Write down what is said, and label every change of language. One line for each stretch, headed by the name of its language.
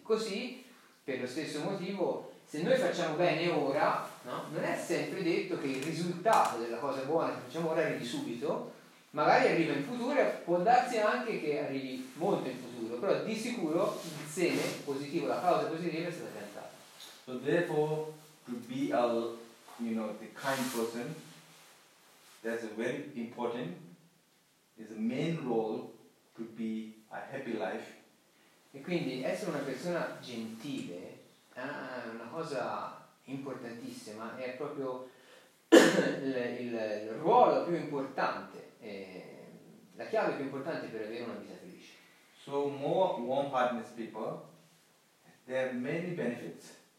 Italian: Così, per lo stesso motivo, se noi facciamo bene ora, no? Non è sempre detto che il risultato della cosa buona che facciamo ora arrivi subito, magari arriva in futuro, può darsi anche che arrivi molto in futuro, però di sicuro il seme positivo, la causa positiva è stata piantata.
English: So therefore, to be a, you know, the kind person, that's a very important, is a main role to be a happy life.
Italian: E quindi essere una persona gentile è una cosa importantissima, è proprio il ruolo più importante, la chiave più importante per avere una vita felice.
English: So more warm-heartedness people, there are many benefits.